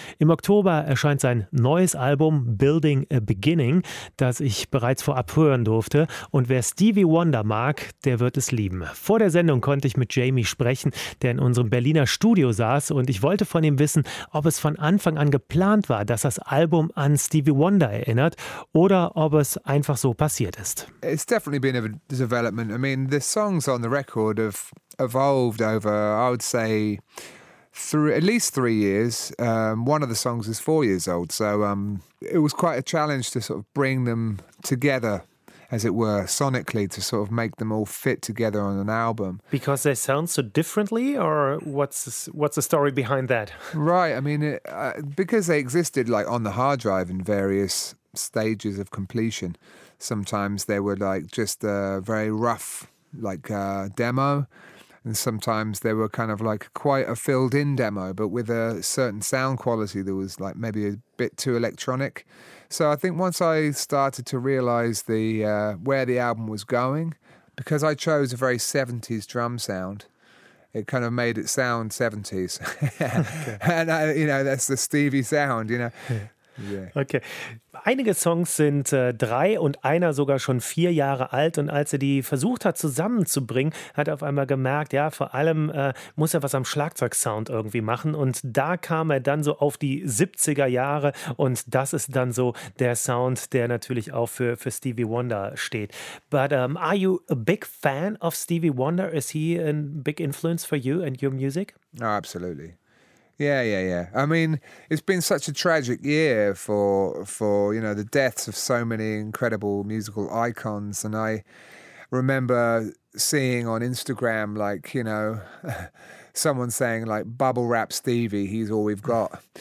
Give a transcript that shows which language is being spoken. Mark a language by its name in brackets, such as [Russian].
[German] Im Oktober erscheint sein neues Album Building a Beginning, das ich bereits vorab hören durfte. Und wer Stevie Wonder mag, der wird es lieben. Vor der Sendung konnte ich mit Jamie sprechen, der in unserem Berliner Studio saß und ich wollte von ihm wissen, ob es von Anfang an geplant war, dass das Album an Stevie Wonder erinnert oder ob es einfach so passiert ist. [English] It's definitely been a development. I mean, the songs on the record have evolved over, I would say, through at least 3 years. One of the songs is 4 years old, so it was quite a challenge to sort of bring them together, as it were, sonically, to sort of make them all fit together on an album. Because they sound so differently, or what's the story behind that? Right, I mean, because they existed like on the hard drive in various stages of completion, sometimes they were like just a very rough like demo, and sometimes they were kind of like quite a filled-in demo, but with a certain sound quality that was like maybe a bit too electronic. So I think once I started to realize the where the album was going, because I chose a very 70s drum sound, it kind of made it sound 70s. Okay. And I, you know, that's the Stevie sound, you know. Yeah. Okay. [German] Einige Songs sind 3 und einer sogar schon 4 Jahre alt. Und als er die versucht hat zusammenzubringen, hat er auf einmal gemerkt, ja, vor allem muss er was am Schlagzeugsound irgendwie machen. Und da kam er dann so auf die 70er Jahre. Und das ist dann so der Sound, der natürlich auch für Stevie Wonder steht. [English] But are you a big fan of Stevie Wonder? Is he a big influence for you and your music? Oh, absolutely. Yeah, yeah, yeah. I mean, it's been such a tragic year for you know, the deaths of so many incredible musical icons. And I remember seeing on Instagram, like, you know, someone saying, like, bubble wrap Stevie, he's all we've got.